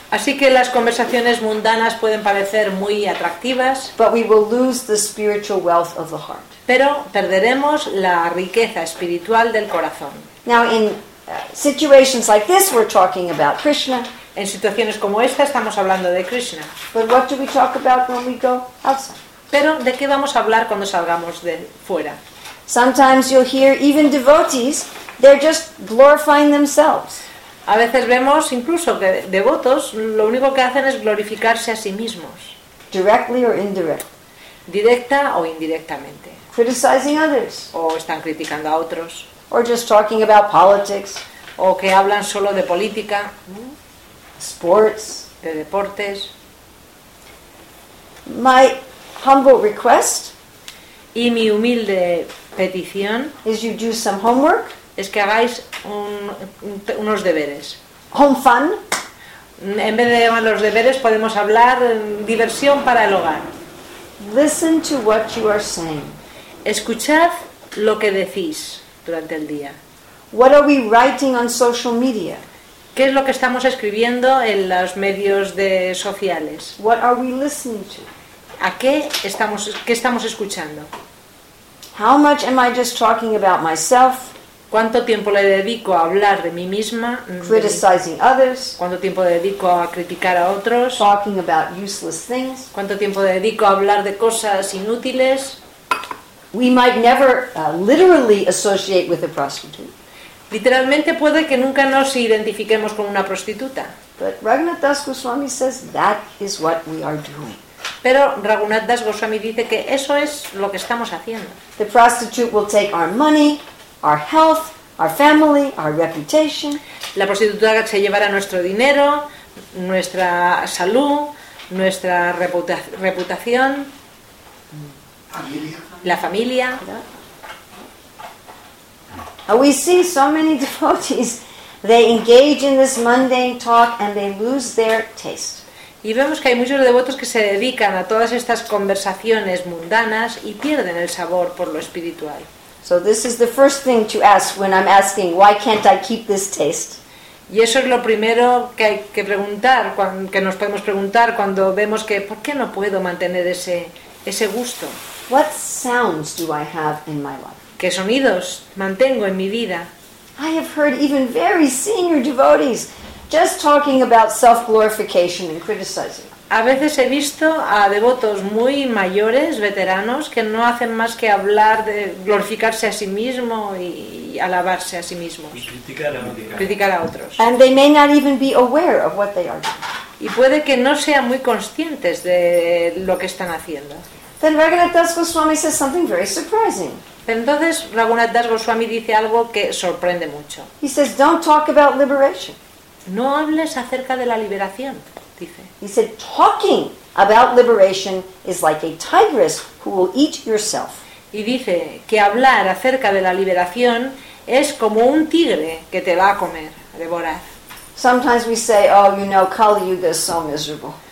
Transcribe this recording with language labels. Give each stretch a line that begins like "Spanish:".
Spanish: Así que las conversaciones mundanas pueden parecer muy atractivas.
English: But we will lose the spiritual wealth of the heart.
Spanish: Pero perderemos la riqueza espiritual del corazón.
English: Now in situations like this, we're talking about Krishna.
Spanish: En situaciones como esta estamos hablando de Krishna.
English: But what do we talk about when we go outside?
Spanish: Pero ¿de qué vamos a hablar cuando salgamos de fuera?
English: Sometimes you'll hear even devotees, they're just glorifying themselves.
Spanish: A veces vemos incluso que devotos lo único que hacen es glorificarse a sí mismos.
English: Directly or indirectly.
Spanish: Directa o indirectamente.
English: Criticizing others.
Spanish: O están criticando a otros.
English: Or just talking about politics.
Spanish: O que hablan solo de política.
English: Sports.
Spanish: De deportes.
English: My humble request.
Spanish: Y mi humilde petición
English: is you do some homework.
Spanish: Es que hagáis unos deberes.
English: Home fun.
Spanish: En vez de llamar los deberes, podemos hablar diversión para el hogar.
English: Listen to what you are saying.
Spanish: Escuchad lo que decís durante el día.
English: What are we writing on social media?
Spanish: ¿Qué es lo que estamos escribiendo en los medios de sociales?
English: What are we listening to?
Spanish: ¿A qué estamos escuchando?
English: How much am I just talking about myself?
Spanish: ¿Cuánto tiempo le dedico a hablar de mí misma?
English: Criticizing others.
Spanish: ¿Cuánto tiempo le dedico a criticar a otros?
English: Talking about useless things.
Spanish: ¿Cuánto tiempo le dedico a hablar de cosas inútiles?
English: We might never literally associate with a prostitute.
Spanish: Literalmente puede que nunca nos identifiquemos con una prostituta.
English: But Raghunath Das Goswami says that is what we are doing.
Spanish: Pero Raghunath Das Goswami dice que eso es lo que estamos haciendo.
English: The prostitute will take our money, our health, our family, our reputation.
Spanish: La prostituta se llevará nuestro dinero, nuestra salud, nuestra reputación.
English: Familia.
Spanish: La familia.
English: Yeah. We see so many devotees, they engage in this mundane talk and they lose their taste.
Spanish: Y vemos que hay muchos devotos que se dedican a todas estas conversaciones mundanas y pierden el sabor por lo espiritual.
English: So this is the first thing to ask when I'm asking, why can't I keep this taste?
Spanish: Y eso es lo primero que hay que preguntar, que nos podemos preguntar cuando vemos que, ¿por qué no puedo mantener ese gusto?
English: What sounds do I have in my life?
Spanish: ¿Qué sonidos mantengo en mi vida?
English: I have heard even very senior devotees just talking about self-glorification and criticizing.
Spanish: A veces he visto a devotos muy mayores, veteranos, que no hacen más que hablar de glorificarse a sí mismo y alabarse a sí mismos. Y criticar a otros.
English: And they may not even be aware of what they are doing.
Spanish: Y puede que no sean muy conscientes de lo que están haciendo.
English: Then Raghunath Das Goswami says something very surprising.
Spanish: Entonces Raghunath Das Goswami dice algo que sorprende mucho.
English: He says, "Don't talk about liberation."
Spanish: No hables acerca de la liberación.
English: He said, talking about liberation is like a tigress who will eat yourself.
Spanish: Y dice que hablar acerca de la liberación es como un tigre que te va a comer, a devorar.
English: Sometimes we say, oh, you know, Kali Yuga is so miserable.